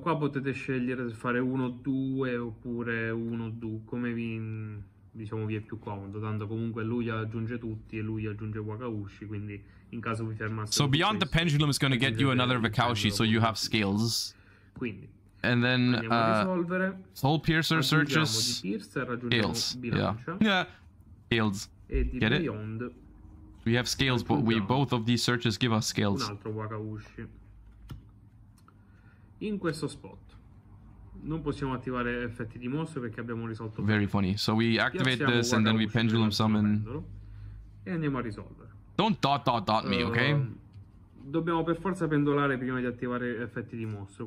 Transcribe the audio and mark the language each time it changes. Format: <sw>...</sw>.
<it>Qua potete scegliere se fare 1-2 oppure 1-2, come vi, diciamo, vi è più comodo, tanto comunque lui aggiunge tutti e lui aggiunge Wakaushi, quindi in caso vi fermasse.</it> <en>So beyond the pendulum is going to get you another Vakaushi, so you have skills.</en> <it>Quindi.</it> <en>And then Soul Piercer searches. Skills. Yeah. Skills. Get it? We have scales, but we both of these searches give us scales.</en> <it>Un altro Wakaushi. In questo spot. Non possiamo attivare effetti di mostro perché abbiamo risolto.</it> <en>Very funny. So we activate this and then we pendulum summon.</en> <it>E andiamo a risolvere.</it> <en>Don't dot dot dot me, ok?</en> <it>Dobbiamo per forza pendolare prima di attivare effetti di mostro.</it>